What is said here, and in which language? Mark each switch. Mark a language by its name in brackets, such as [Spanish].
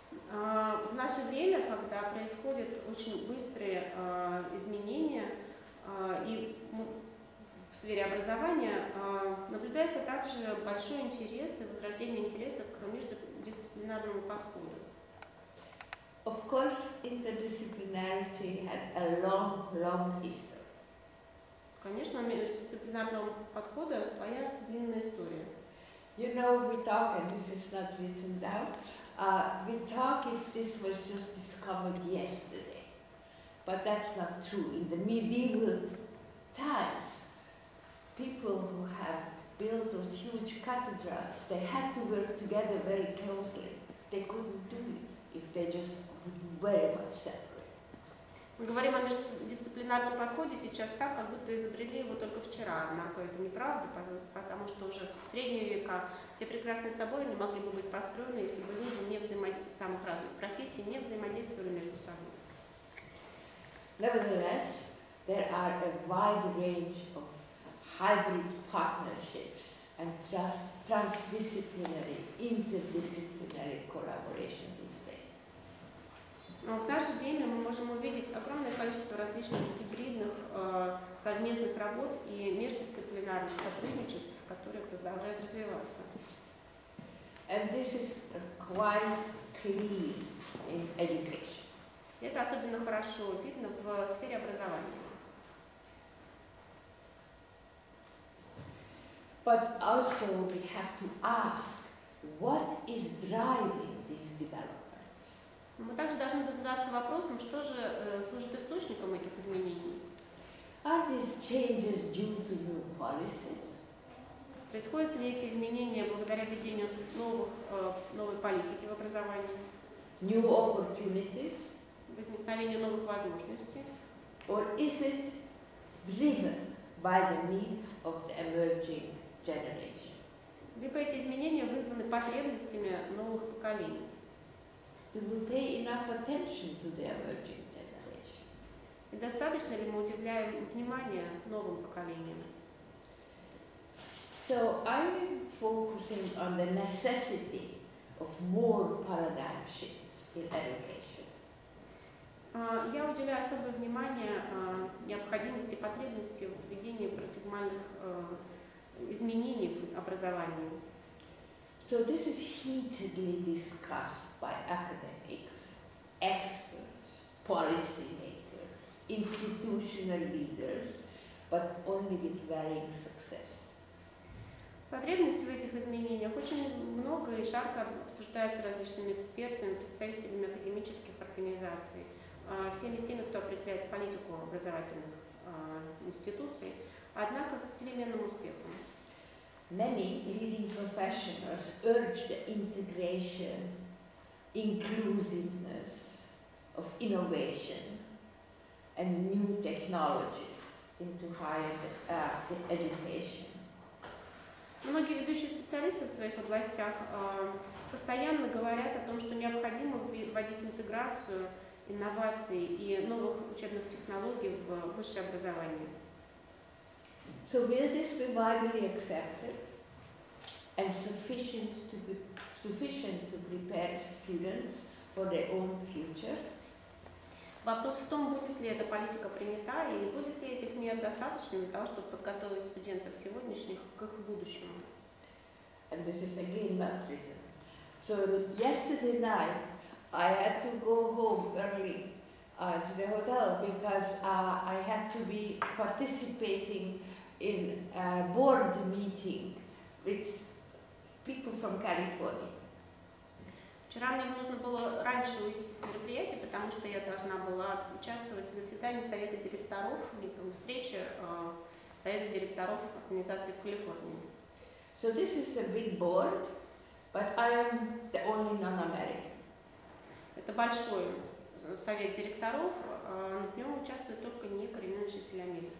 [Russian] В наше время, когда происходят очень быстрые изменения и в сфере образования, наблюдается также большой интерес и возрождение интереса к междисциплинарному подходу. [English] Of course, interdisciplinarity has a long, long history. [Russian] Конечно, у междисциплинарного подхода своя длинная история. [English] You know, we talk, and this is not written down, we talk if this was just discovered yesterday. But that's not true. In the medieval times, people who have built those huge cathedrals, they had to work together very closely. They couldn't do it if they just very much separate. [Russian] Мы говорим о междисциплинарном подходе сейчас так, как будто изобрели его только вчера, однако это неправда, потому что уже в средние века все прекрасные соборы не могли бы быть построены, если бы люди не взаимодействовали, самых разных профессий не взаимодействовали между собой. [English] Nevertheless, there are a wide range of hybrid partnerships and transdisciplinary, interdisciplinary collaboration. [Russian] Но в наше время мы можем увидеть огромное количество различных гибридных совместных работ и междисциплинарных сотрудничеств, которые продолжают развиваться. [English] And this is quite clear in education. [Russian] Это особенно хорошо видно в сфере образования. [English] But also we have to ask, what is driving these developments? [Russian] Мы также должны задаться вопросом, что же служит источником этих изменений. [English] Are these changes due to new policies? [Russian] Происходят ли эти изменения благодаря введению новых, новой политики в образовании? [English] New opportunities? [Russian] Возникновение новых возможностей? [English] Or is it driven by the needs of the emerging generation? [Russian] Либо эти изменения вызваны потребностями новых поколений? [English] Do we pay enough attention to the emerging generation? [Russian] И достаточно ли мы уделяем внимание новым поколениям? [English] So I'm focusing on the necessity of more paradigm shifts in education. [Russian] Я уделяю особое внимание необходимости, потребности введения парадигмальных изменений в образовании. [English] So this is heatedly discussed by academics, experts, policy makers, institutional leaders, but only with varying success. [Russian] Потребности в этих изменениях очень много и жарко обсуждается различными экспертами, представителями академических организаций, всеми теми, кто определяет политику образовательных институций, однако с переменным успехом. [English] Many leading professionals urge the integration, inclusiveness of innovation and new technologies into higher education. [Russian] Многие ведущие специалисты в своих областях постоянно говорят о том, что необходимо вводить интеграцию инноваций и новых учебных технологий в высшее образование. [English] So will this be widely accepted and sufficient to prepare students for their own future? [Russian] Вопрос в том, будет ли эта политика принята, или будет ли этих мер достаточно для того, чтобы подготовить студентов сегодняшних к их будущему. [English] And this is again not written. So yesterday night I had to go home early to the hotel because I had to be participating in a board meeting with people from California. [Russian] Вчера мне нужно было раньше уйти с мероприятия, потому что я должна была участвовать в заседании совета директоров, встрече совета директоров организации в Калифорнии. [English] So this is a big board, but I am the only non-American. [Russian] Это большой совет директоров, но в нем участвуют только некоренные жители Америки.